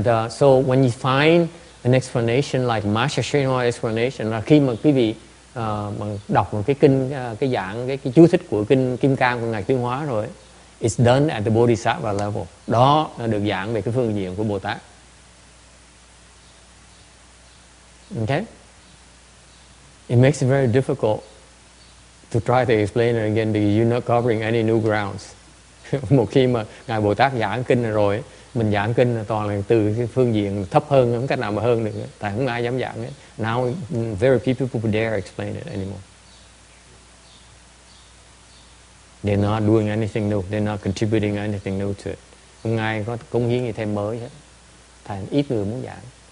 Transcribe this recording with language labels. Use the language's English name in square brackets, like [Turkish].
[English] So when you find an explanation like Master Srinivas explanation, [Vietnamese] là khi mà quý vị mà đọc một cái kinh cái giảng cái chú thích của kinh Kim Cang của ngài Tuyên Hóa rồi, [English] it's done at the Bodhisattva level. [Vietnamese] Đó là được giảng về cái phương diện của Bồ Tát. [English] Okay? It makes it very difficult to try to explain it again because you're not covering any new grounds. [Vietnamese] Một khi mà ngài Bồ Tát giảng kinh rồi, mình giảng kinh toàn là từ cái phương diện thấp hơn, không cách nào mà hơn được, tại không ai dám giảng hết. [English] Now very few people dare explain it anymore. They're not doing anything new, they're not contributing anything new to it. [Vietnamese] Không ai có cống hiến gì thêm mới hết, tại ít người muốn giảng.